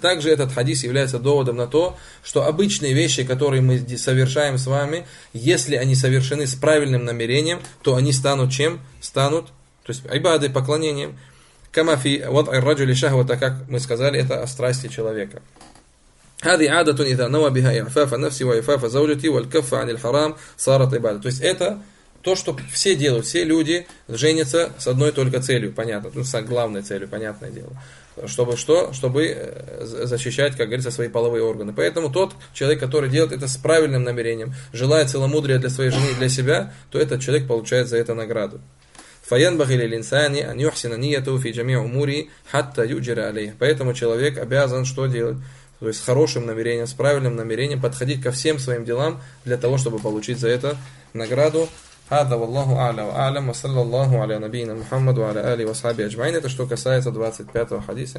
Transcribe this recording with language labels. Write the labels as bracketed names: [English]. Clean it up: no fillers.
[Russian] Также этот хадис является доводом на то, что обычные вещи, которые мы совершаем с вами, если они совершены с правильным намерением, то они станут чем? Станут, то есть, айбады, поклонением. [Arabic] كما في وضع الرجل شهوته [Russian] как мы сказали это о страсти человека. [Arabic] هذه عادة إذا نوى بها إعفاف نفسي وإعفاف زوجتي والكف عن الحرام صارت عبادة. [Russian] То есть это то, что все делают, все люди женятся с одной только целью, понятно, ну, с главной целью, понятное дело. Чтобы что? Чтобы защищать, как говорится, свои половые органы. Поэтому тот человек, который делает это с правильным намерением, желая целомудрия для своей жены и для себя, то этот человек получает за это награду. [Arabic] فَيَنْبَغِ لِلْإِنْسَانِ أَنْ يُحْسِنَ نِيَّتَهُ فِي جَمِيعِ أُمُورِهِ حَتَّى يُؤْجِرَ عَلَيْهَا. [Russian] Поэтому человек обязан что делать? То есть с хорошим намерением, с правильным намерением подходить ко всем своим делам для того, чтобы получить за это награду. [Arabic] هَذَا وَاللَّهُ أَعْلَى وَأَعْلَمُ وَصَلَّى اللَّهُ عَلَى نَبِيِّنَا مُحَمَّدٍ وَعَلَى آلِهِ وَصَحْبِهِ أَجْمَعِينَ. [Russian] Это что касается 25-го хадиса.